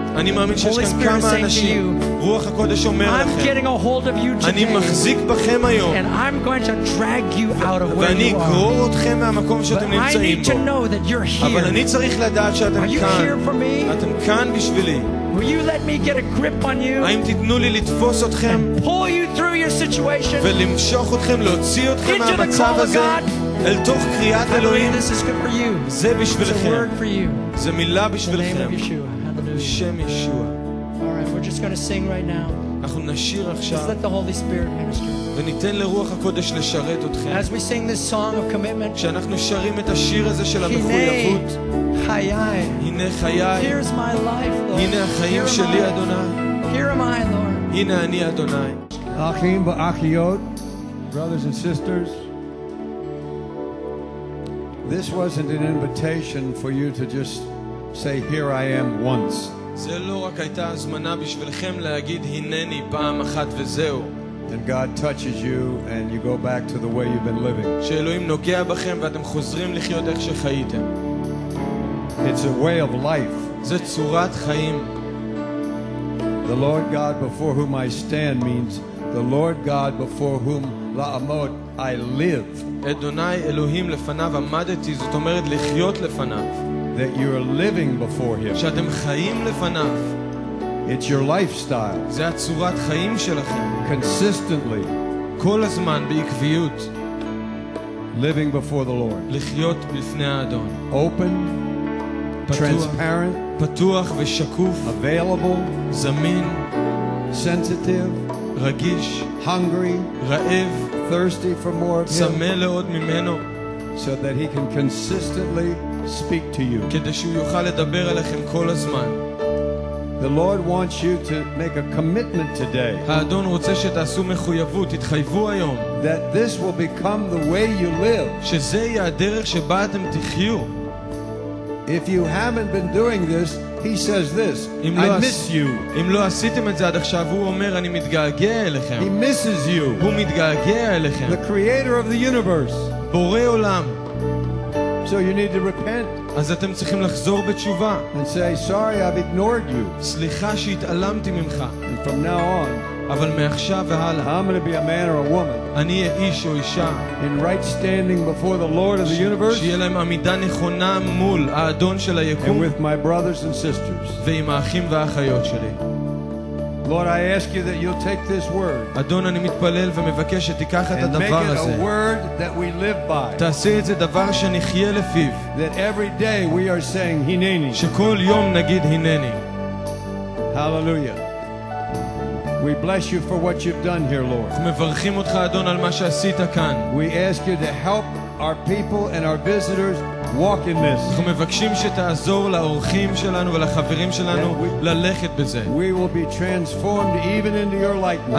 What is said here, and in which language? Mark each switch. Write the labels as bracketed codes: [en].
[he] אני מאמין שיש כאן כמה אנשים. רוח הקודש אומר לכם. [en] I'm getting a hold of you today. [he] אני מחזיק בכם היום. [en] And I'm going to drag you out of where you are. [he] ואני אגרור אתכם מהמקום שאתם נמצאים בו. [en] I need to know that you're here. [he] אבל אני צריך לדעת שאתם כאן. [en] Are you here for me? [he] אתם כאן בשבילי. [en] Will you let me get a grip on you? [he] האם תיתנו לי לתפוס אתכם? [en] And pull you through your situation. [he] ולמשוך אתכם, להוציא אתכם מהמצב הזה. אל תוך קריאת אלוהים. [en] This is good for you. [he] זה בשבילכם. [en] It's a word for you. [he] זה מילה בשבילכם. [en] In the name of Yeshua. Hallelujah. [he] שם ישוע. [en] Alright, we're just going to sing right now. [he] אנחנו נשיר עכשיו. [en] Just let the Holy Spirit minister. [he] וניתן לרוח הקודש לשרת אתכם. [en] As we sing this song of commitment. [he] כשאנחנו שרים את השיר הזה של המחויבות. הנה חיי. [en] Here's my life, Lord. [he] הנה החיים שלי, אדוני. [en] Here am I, Lord. [he] הנה אני, אדוני. אחים ואחיות, [en] brothers and sisters, this wasn't an invitation for you to just say here I am once. [he] זה לא רק הייתה הזמנה בשבילכם להגיד הנני פעם אחת וזהו. [en] And God touches you and you go back to the way you've been living. [he] שאלוהים נוגע בכם ואתם חוזרים לחיות איך שחייתם. [en] It's a way of life. [he] זה צורת חיים. [en] The Lord God before whom I stand means the Lord God before whom la'amod I live. [he] אדוני אלוהים לפניו עמדתי, זאת אומרת לחיות לפניו. [en] That you are living before him. [he] שאתם חיים לפניו. [en] It's your lifestyle. [he] זה צורת חיים שלכם. [en] Consistently. [he] כל הזמן בעקביות. [en] Living before the Lord. [he] לחיות לפני האדון. [en] Open. Transparent. [he] פתוח ושקוף. [en] Available. [he] זמין. [en] Sensitive. [he] רגיש. [en] Hungry. [he] רעב. [en] Thirsty for more of him. [he] צמא לעוד ממנו. [en] So that he can consistently speak to you. [he] כדי שהוא יוכל לדבר אליכם כל הזמן. [en] The Lord wants you to make a commitment today. [he] האדון רוצה שתעשו מחויבות, תתחייבו היום. [en] That this will become the way you live. [he] שזה יהיה הדרך שבה אתם תחיו. [en] If you haven't been doing this, he says this. I miss you. [he] אם לא עשיתם את זה עד עכשיו, הוא אומר אני מתגעגע אליכם. [en] He misses you. [he] הוא מתגעגע אליכם. [en] The creator of the universe. [he] בורא עולם. [en] So you need to repent. [he] אז אתם צריכים לחזור בתשובה. [en] And say, sorry, I've ignored you. [he] סליחה שהתעלמתי ממך. [en] And from now on, [he] אבל מעכשיו והלאה, [en] I'm going to be a man or a woman. [he] אני איש או אישה. [en] In right standing before the Lord of the universe. [he] שיהיה להם עמידה נכונה מול האדון של היקום. [en] And with my brothers and sisters. [he] ועם האחים והאחיות שלי. [en] Lord, I ask you that you'll take this word. [he] אדון, אני מתפלל ומבקש שתיקח את הדבר הזה. [en] And make it a word that we live by. [he] תעשה את זה דבר שנחיה לפיו. [en] That every day we are saying hineni. [he] שכל יום נגיד הנני. [en] Hallelujah. We bless you for what you've done here, Lord. [he] אנחנו מברכים אותך אדון על מה שעשית כאן. [en] We ask you to help our people and our visitors walk in this. [he] אנחנו מבקשים שתעזור לאורחים שלנו ולחברים שלנו ללכת בזה. [en] We will be transformed even into your likeness.